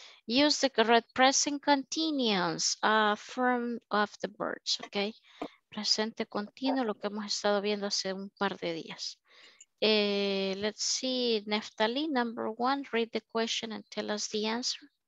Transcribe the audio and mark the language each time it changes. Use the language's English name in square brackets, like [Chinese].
[English] Use the correct present continuous form of the verbs, okay? [Spanish] Presente continuo, lo que hemos estado viendo hace un par de días. [English] Let's see, Neftali, number one, read the question and tell us the answer.